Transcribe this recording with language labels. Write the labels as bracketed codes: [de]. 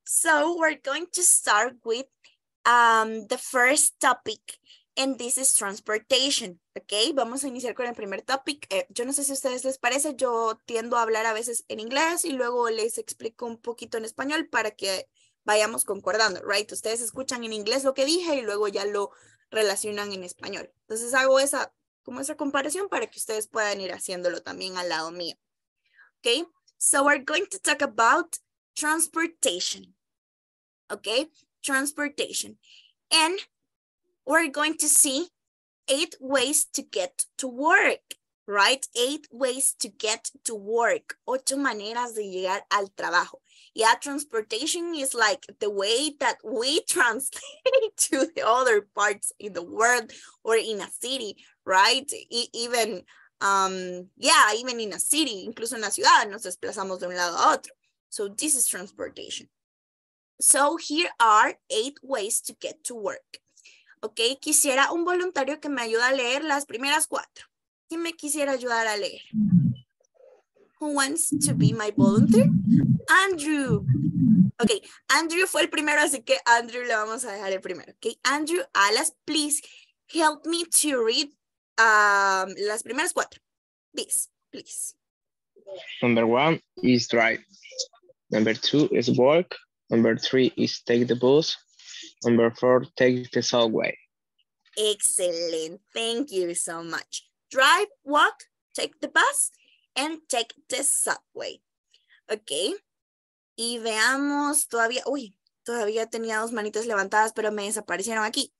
[en] So, we're going to start with the first topic, and this is transportation, okay? [es] Vamos a iniciar con el primer topic. Yo no sé si a ustedes les parece, yo tiendo a hablar a veces en inglés y luego les explico un poquito en español para que vayamos concordando, right? Ustedes escuchan en inglés lo que dije y luego ya lo relacionan en español. Entonces hago esa comparación para que ustedes puedan ir haciéndolo también al lado mío, okay? [en] So we're going to talk about transportation, okay? Transportation, and we're going to see 8 ways to get to work, right? 8 ways to get to work, [es] 8 maneras de llegar al trabajo. [en] Yeah, transportation is like the way that we translate to the other parts in the world or in a city, right? Even in a city, [es] incluso en la ciudad, nos desplazamos de un lado a otro. [en] So this is transportation. So here are 8 ways to get to work. [es] Ok, quisiera un voluntario que me ayude a leer las primeras 4. ¿Quién me quisiera ayudar a leer? [en] Who wants to be my volunteer? [es] Andrew. Ok, Andrew fue el primero, así que Andrew le vamos a dejar el primero. [en] Ok, Andrew Alas, please help me to read [es] las primeras 4. [en] Please. Number 1 is drive. Number 2 is work. Number 3 is take the bus. Number 4, take the subway. Excellent. Thank you so much. Drive, walk, take the bus, and take the subway. [es] Okay. Y veamos todavía. Uy, todavía tenía 2 manitas levantadas, pero me desaparecieron aquí.